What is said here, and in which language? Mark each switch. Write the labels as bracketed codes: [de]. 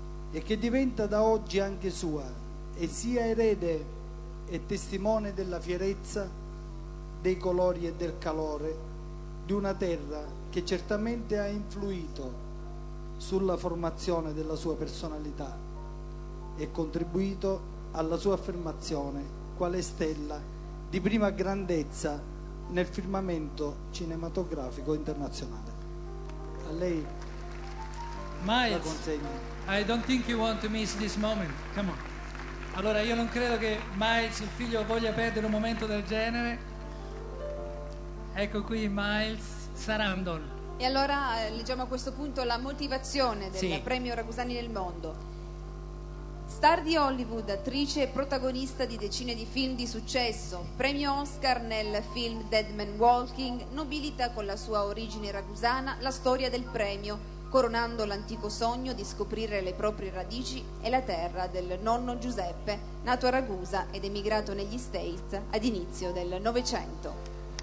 [it] e che diventa da oggi anche sua, e sia erede e testimone della fierezza, dei colori e del calore di una terra che certamente ha influito sulla formazione della sua personalità e contribuito alla sua affermazione quale stella di prima grandezza nel firmamento cinematografico internazionale. A lei Miles, la consegno. [en] I don't think you want to miss this moment. Come on. [it] Allora, io non credo che Miles, il figlio, voglia perdere un momento del genere. Ecco qui Miles Sarandon. E allora leggiamo a questo punto la motivazione del premio Ragusani del Mondo. Star di Hollywood, attrice e protagonista di decine di film di successo, premio Oscar nel film Dead Man Walking, nobilita con la sua origine ragusana la storia del premio, coronando l'antico sogno di scoprire le proprie radici e la terra del nonno Giuseppe, nato a Ragusa ed emigrato negli States ad inizio del Novecento.